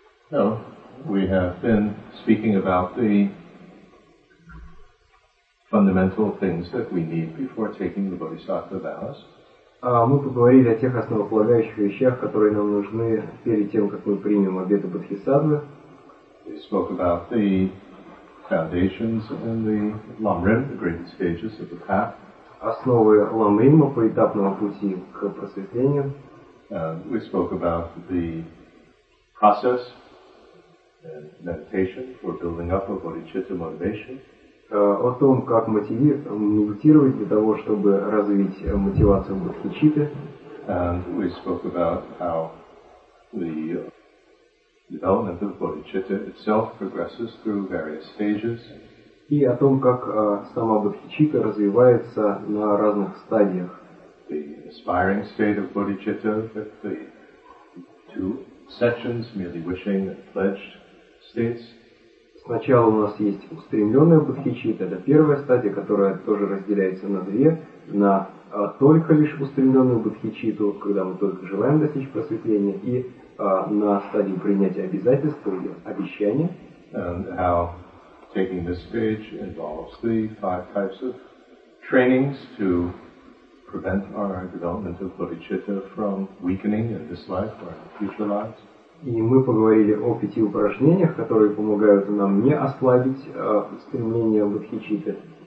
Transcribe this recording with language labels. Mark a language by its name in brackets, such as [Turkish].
[English] So, we have been speaking about the fundamental things that we need before taking the Bodhisattva vows. [Russian] Мы поговорили о тех основополагающих вещах, которые нам нужны перед тем, как мы примем обеты Бодхисаттвы. [English] We spoke about the foundations and the lamrim, the great stages of the path. [Russian] Основы ламрима по этапному пути к просветлению. [English] We spoke about the process and meditation for building up a bodhicitta motivation. [Russian] О том, как медитировать для того, чтобы развить мотивацию бодхичитты. [English] And we spoke about how the development of bodhicitta itself progresses through various stages. [Russian] И о том, как сама бодхичитта развивается на разных стадиях. [English] The aspiring state of bodhicitta, the two sections, merely wishing and pledged states. [Russian] Сначала у нас есть устремленная бодхичитта, это первая стадия, которая тоже разделяется на две, на только лишь устремленную бодхичитту, когда мы только желаем достичь просветления, и на стадию принятия обязательств или обещания. [English] And how taking this stage involves the five types of trainings to prevent our development of bodhicitta from weakening in this life or in future lives. [Russian] И мы поговорили о пяти упражнениях, которые помогают нам не ослабить стремление бодхичитты.